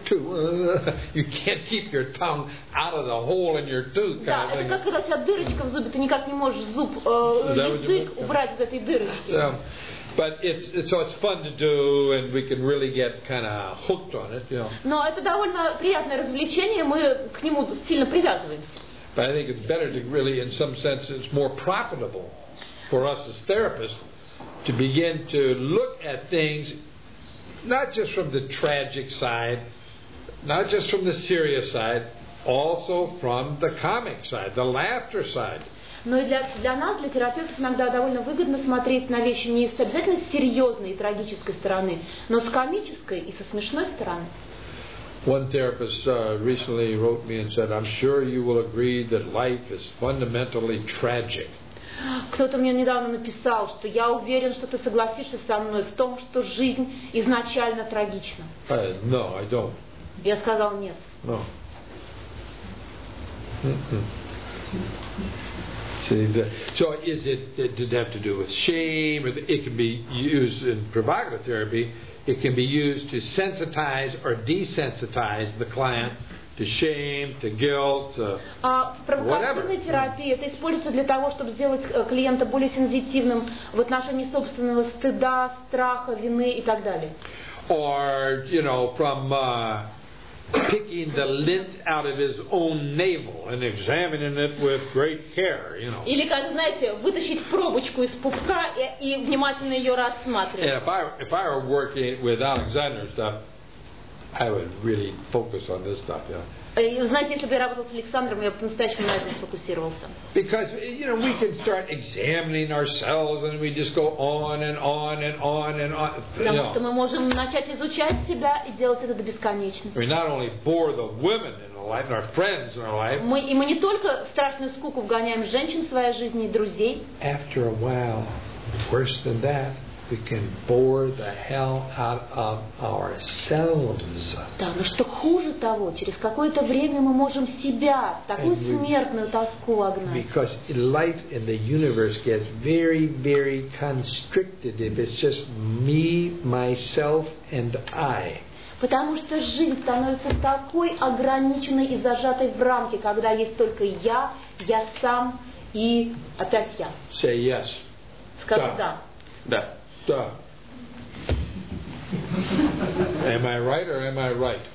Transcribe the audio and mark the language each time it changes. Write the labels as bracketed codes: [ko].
[en] You can't keep your tongue out of the hole in your tooth. [ru] Да, это как когда вся дырочка в зубе, ты никак не можешь зуб, язык убрать из этой дырочки. [en] But it's fun to do, and we can really get kind of hooked on it, you know. [ru] Но это довольно приятное развлечение, мы к нему сильно привязываемся. [en] But I think it's better to really, in some sense, it's more profitable for us as therapists to begin to look at things not just from the tragic side, not just from the serious side, also from the comic side, the laughter side. [ru] Но и для нас, для терапевтов, иногда довольно выгодно смотреть на вещи не с обязательно серьезной и трагической стороны, но с комической и со смешной стороны. [en] One therapist recently wrote me and said, I'm sure you will agree that life is fundamentally tragic. [ru] Кто-то мне недавно написал, что я уверен, что ты согласишься со мной в том, что жизнь изначально трагична. [en] No, I don't. [ru] Я сказал нет. [en] No. So is it, did it have to do with shame? It can be used in provocative therapy. It can be used to sensitize or desensitize the client to shame, to guilt, to whatever. [ru] Провокативная терапия, это используется для того, чтобы сделать клиента более сенситивным в отношении собственного стыда, страха, вины и так далее. [en] Or, you know, from picking the lint out of his own navel and examining it with great care, you know. [ru] Или как знаете, вытащить пробочку из пупка и внимательно ее рассматривать. [en] Yeah, if I were working with Alexander stuff, I would really focus on this stuff, yeah. [ru] Знаете, если бы я работал с Александром, я бы по-настоящему на этом сфокусировался. [en] Because, you know, we can start examining ourselves and we just go on and on and on and on. [ru] Потому что мы можем начать изучать себя и делать это до бесконечности. [en] We not only bore the women in our life, our friends in our life. [ru] Мы не только страшную скуку вгоняем женщин в своей жизни и друзей. [en] After a while, worse than that, we can bore the hell out of ourselves. [ru] Да, но что хуже того, через какое-то время мы можем себя такую смертную тоску огнать. [en] Because life in the universe gets very, very constricted if it's just me, myself, and I. [ru] Потому что жизнь становится такой ограниченной и зажатой в рамки, когда есть только я сам и опять я. [en] Say yes. [ru] Скажи да. Да. Да. [en] Am I right or am I right?